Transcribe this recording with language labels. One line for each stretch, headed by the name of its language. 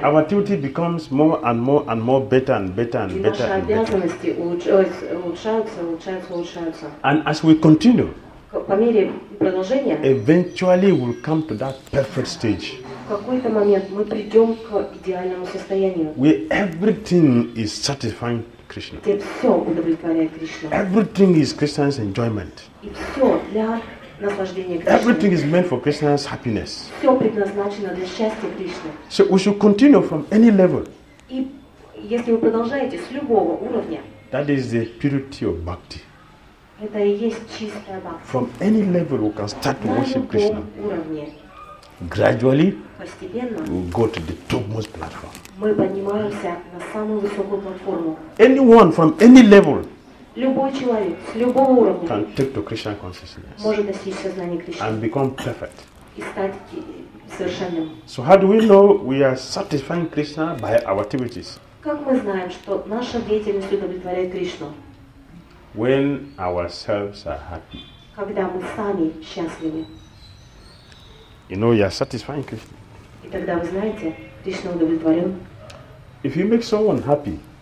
English: Our activity becomes more and more and more better and better and
Russian: и
English: better.
Russian: Наши обязанности улучшаются.
English: And as we continue.
Russian: По мере продолжения.
English: Eventually we'll come to that perfect stage.
Russian: В какой-то момент мы придем к идеальному состоянию.
English: Where everything is satisfying Krishna.
Russian: Где все удовлетворяет Кришну.
English: Everything is Krishna's enjoyment.
Russian: И все для
English: everything is meant for Krishna's happiness.
Russian: Все предназначено для счастья Кришны.
English: So we should continue from any level.
Russian: И если вы продолжаете с любого уровня.
English: That is the purity of bhakti.
Russian: Это и есть чистая бхакти.
English: From any level we can start to worship Krishna.
Russian: На любом уровне.
English: Gradually.
Russian: Постепенно.
English: We'll go to the topmost platform.
Russian: Мы поднимаемся на самую высокую платформу.
English: Anyone from any level.
Russian: Любой человек с любого уровня
English: can take to Krishna consciousness
Russian: может достичь сознания Кришны
English: and become perfect.
Russian: И стать совершенным.
English: So how do we know we are satisfying Krishna by our activities?
Russian: Как мы знаем, что наша деятельность удовлетворяет Кришну?
English: When ourselves are happy.
Russian: Когда мы сами счастливы.
English: You know you are satisfying Krishna.
Russian: И тогда вы знаете, Кришна удовлетворен.
English: If you make someone happy.